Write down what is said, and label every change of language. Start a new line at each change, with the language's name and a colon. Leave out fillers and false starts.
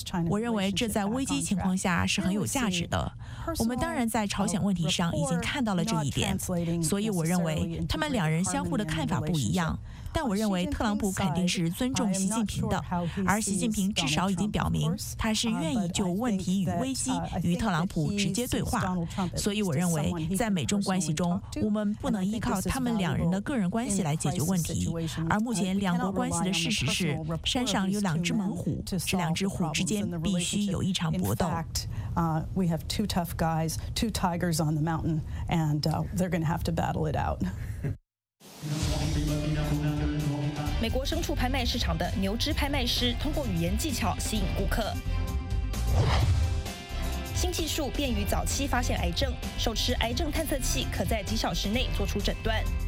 Chinese: 我认为这在危机情况下是很有价值的。我们当然在朝鲜问题上已经看到了这一点，所以我认为他们两人相互的看法不一样，但我认为特朗普肯定是尊重习近平的，而习近平至少已经表明他是愿意就问题与危机与特朗普直接对话。所以我认为在美中关系中，我们不能依靠他们两人的个人关系来解决问题，而目前两国关系的事实是山上有两只猛虎，这两只虎之间必须有一场搏斗。
English: We have two tough guys, two tigers on the mountain, and they're going to have to battle it out.
Chinese: 美国牲畜拍卖市场的牛只拍卖师通过语言技巧吸引顾客。新技术便于早期发现癌症，手持癌症探测器可在几小时内做出诊断。